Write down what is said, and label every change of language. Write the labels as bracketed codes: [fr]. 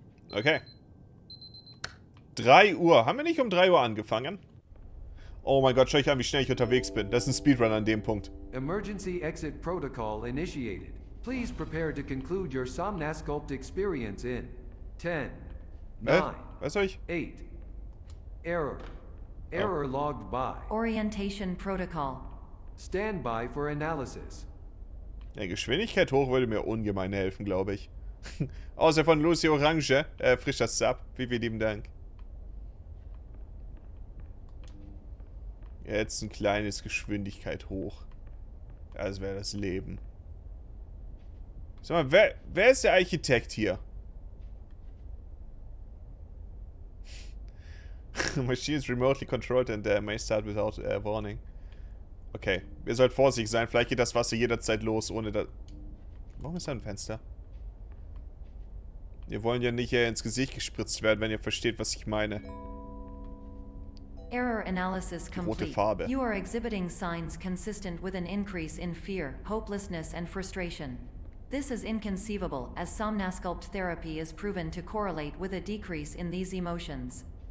[de] Okay. 3 Uhr. Haben wir nicht um 3 Uhr angefangen? Oh mein Gott, schau ich an, wie schnell ich unterwegs bin. Das ist ein Speedrunner an dem Punkt. [en] Emergency exit protocol initiated. Please prepare to conclude your Somnasculpt experience in 10, 9, [de] was soll ich? [en] 8. Error. Error logged by. Orientation protocol. Stand by for analysis. [de] Ja, Geschwindigkeit hoch würde mir ungemein helfen, glaube ich. Außer von Lucy Orange, frischer Sub, vielen lieben Dank. Jetzt ein kleines Geschwindigkeit hoch. Das wäre das Leben. Sag mal, wer ist der Architekt hier? [en] The machine is remotely controlled and may start without warning. [de] Okay, wir sollten vorsichtig sein. Vielleicht geht das Wasser jederzeit los, ohne dass... Warum ist da ein Fenster? Wir wollen ja nicht ins Gesicht gespritzt werden, wenn ihr versteht, was ich meine. [en] Error analysis complete. [de] Rote Farbe. [en] You are exhibiting signs consistent with an increase in fear, hopelessness and frustration. This is inconceivable, as Somnasculpt therapy is proven to correlate with a decrease in these emotions.